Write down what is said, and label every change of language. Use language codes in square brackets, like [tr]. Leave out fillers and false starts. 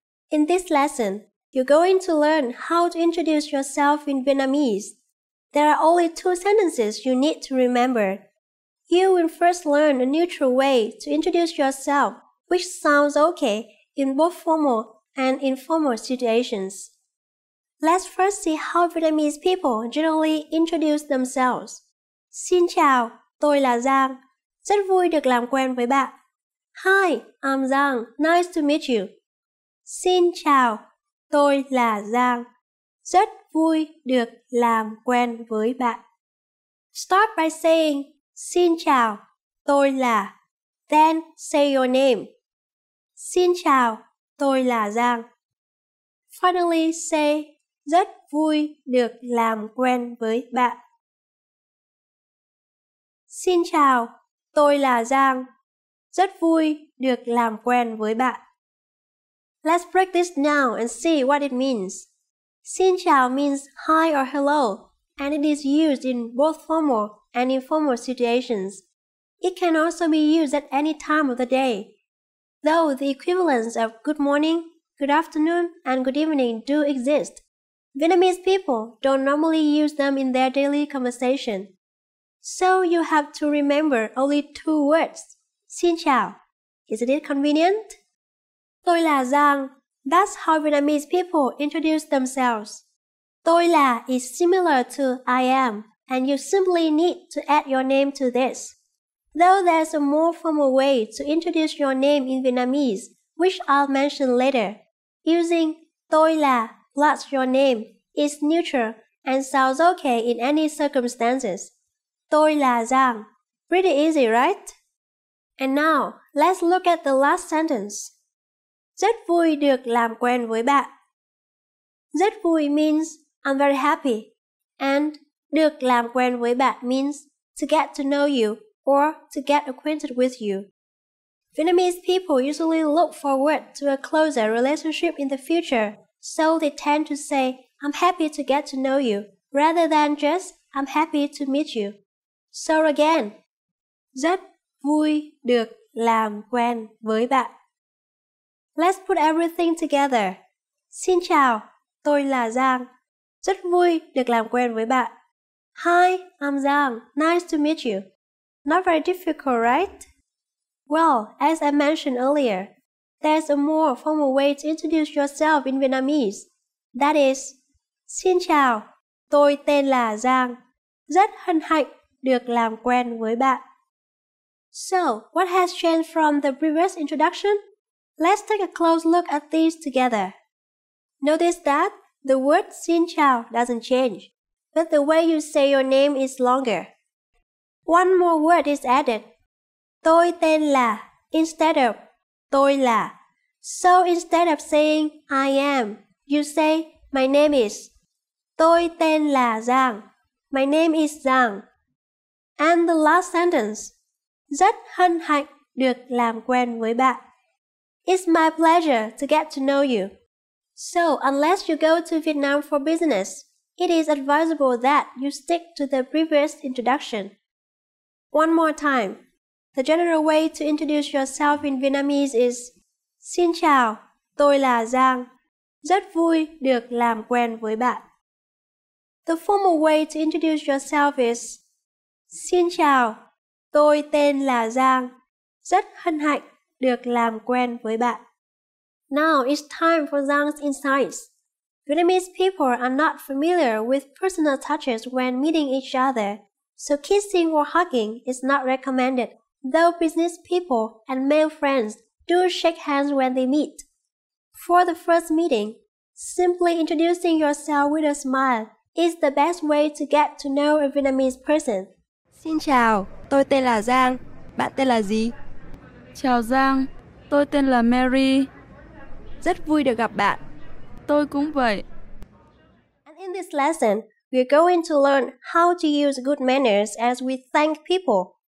[en] In this lesson, you're going to learn how to introduce yourself in Vietnamese. There are only two sentences you need to remember. You will first learn a neutral way to introduce yourself, which sounds okay in both formal and informal situations. Let's first see how Vietnamese people generally introduce themselves. [vi] Xin chào, tôi là Giang. Rất vui được làm quen với bạn. [en] Hi, I'm Giang. Nice to meet you. [vi] Xin chào, tôi là Giang. Rất vui được làm quen với bạn. [en] Start by saying, [vi] xin chào, tôi là. [en] Then say your name. [vi] Xin chào, tôi là Giang. [en] Finally say, [vi] rất vui được làm quen với bạn. Xin chào, tôi là Giang. Rất vui được làm quen với bạn. [en] Let's break this now and see what it means. Xin chào means hi or hello, and it is used in both formal and informal situations. It can also be used at any time of the day. Though the equivalents of good morning, good afternoon, and good evening do exist, Vietnamese people don't normally use them in their daily conversation. So you have to remember only two words. [vi] Xin chào. [en] Isn't it convenient? [vi] Tôi là Giang. [en] That's how Vietnamese people introduce themselves. Tôi là is similar to I am, and you simply need to add your name to this. Though there's a more formal way to introduce your name in Vietnamese, which I'll mention later, using tôi là plus your name is neutral and sounds okay in any circumstances. [vi] Tôi là Giang. [en] Pretty easy, right? And now, let's look at the last sentence. [vi] Rất vui được làm quen với bạn. [en] Rất vui means I'm very happy. And được làm quen với bạn means to get to know you or to get acquainted with you. Vietnamese people usually look forward to a closer relationship in the future, so they tend to say I'm happy to get to know you rather than just I'm happy to meet you. So again, [vi] rất vui được làm quen với bạn. [en] Let's put everything together. [vi] Xin chào, tôi là Giang. Rất vui được làm quen với bạn. [en] Hi, I'm Giang. Nice to meet you. Not very difficult, right? Well, as I mentioned earlier, there's a more formal way to introduce yourself in Vietnamese. That is, [vi] xin chào, tôi tên là Giang. Rất hân hạnh được làm quen với bạn. [en] So, what has changed from the previous introduction? Let's take a close look at these together. Notice that the word xin chào doesn't change, but the way you say your name is longer. One more word is added. [vi] Tôi tên là [en] instead of [vi] tôi là. [en] So instead of saying I am, you say my name is. [vi] Tôi tên là Giang. [en] My name is Giang. And the last sentence. [vi] Rất hân hạnh được làm quen với bạn. [en] It's my pleasure to get to know you. So, unless you go to Vietnam for business, it is advisable that you stick to the previous introduction. One more time. The general way to introduce yourself in Vietnamese is [vi] Xin chào, tôi là Giang. Rất vui được làm quen với bạn. [en] The formal way to introduce yourself is [vi] Xin chào. Tôi tên là Giang. Rất hân hạnh được làm quen với bạn. [en] Now it's time for Giang's insights. Vietnamese people are not familiar with personal touches when meeting each other, so kissing or hugging is not recommended, though business people and male friends do shake hands when they meet. For the first meeting, simply introducing yourself with a smile is the best way to get to know a Vietnamese person. [vi] Xin chào, tôi tên là Giang. Bạn tên là gì? Chào Giang, tôi tên là Mary. Rất vui được gặp bạn. Tôi cũng vậy. [en] And in this lesson, we're going to learn how to use good manners as we thank people.